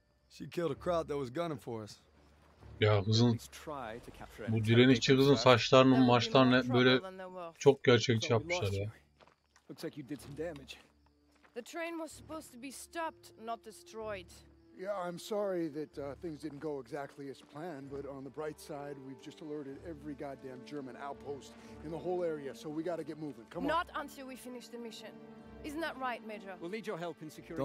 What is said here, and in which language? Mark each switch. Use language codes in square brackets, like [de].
[en] She killed a crowd that was gunning for us. [tr] Ya kızın bu direnişçi kızın saçlarının maçlarını böyle çok gerçekçi yapmışlar ya. [en] Looks like you did some damage. The train was supposed to be stopped, not destroyed. Yeah, I'm sorry that things didn't go exactly as planned, but on the bright side, we've just alerted every goddamn German outpost in the whole area, so we gotta get moving. Come on. Not until we finish the mission. Isn't that right, Major? We'll need your help in securing.